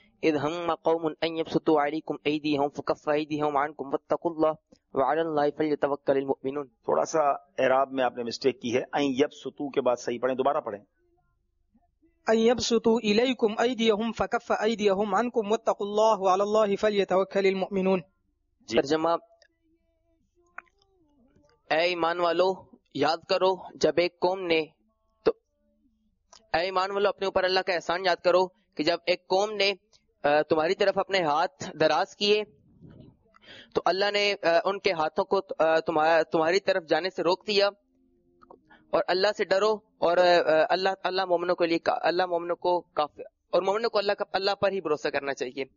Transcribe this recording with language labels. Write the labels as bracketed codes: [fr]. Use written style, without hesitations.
[ar] اذ هم قوم ان يبسطوا عليكم ايديهم فكف ايديهم عنكم واتقوا الله وعلى الله فليتوكل المؤمنون. [ur] تھوڑا سا اعراب میں آپ نے مسٹیک کی ہے, [ar] ان يبسطوا [ur] کے بعد صحیح پڑھیں, دوبارہ پڑھیں. [ar] ان يبسطوا اليكم ايديهم فكف ايديهم عنكم واتقوا الله وعلى الله فليتوكل المؤمنون. [ur] ترجمہ, اے ایمان والو یاد کرو جب ایک قوم نے تو اے ایمان والو اپنے اوپر اللہ کا احسان یاد کرو کہ جب ایک قوم نے تمہاری طرف اپنے ہاتھ دراز کیے تو اللہ نے ان کے ہاتھوں کو تمہاری طرف جانے سے روک دیا, اور اللہ سے ڈرو اور اللہ مومنوں کے لیے اللہ مومنوں کو کافی اور مومنوں کو اللہ پر ہی بھروسہ کرنا چاہیے.